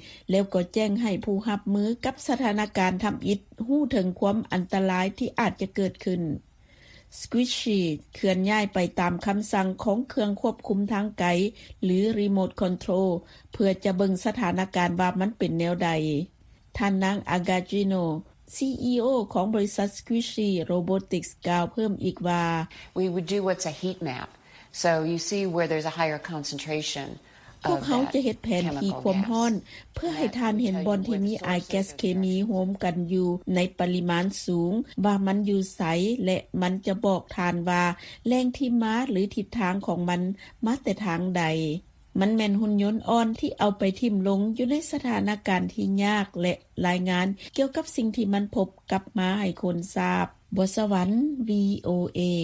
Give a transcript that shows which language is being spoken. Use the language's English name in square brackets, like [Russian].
[Thai] แล้วก็แจ้งให้ผู้รับมือกับสถานการณ์ทําอิดรู้ถึงความอันตรายที่อาจจะเกิดขึ้นสควิชชี่เคลื่อนย้ายไปตามคําสั่งของเครื่องควบคุมทางไกลหรือรีโมทคอนโทรลเพื่อจะเบิ่งสถานการณ์ว่ามันเป็นแนวใดท่านนางอากาจิโน CEO ของบริษัทสควิชชี่โรบอติกส์กล่าวเพิ่มอีกว่า [English] We would do what's a heat map so you see where there's a higher concentration [Thai] พวกเขาจะเฮ็ดแผนที่ความร้อนเพื่อให้ท่านเห็นบอลที่มีไอแก๊สเคมีโฮมกันอยู่ในปริมาณสูงว่ามันอยู่ไสและมันจะบอกท่านว่าแรงที่มาหรือทิศทางของมันมาแต่ทางใดมันแม่นหุ่นยนต์อ่อนที่เอาไปทิ่มลงอยู่ในสถานการณ์ที่ยากและรายงานเกี่ยวกับสิ่งที่มันพบกลับมาให้คนทราบบสวรรค์ VOA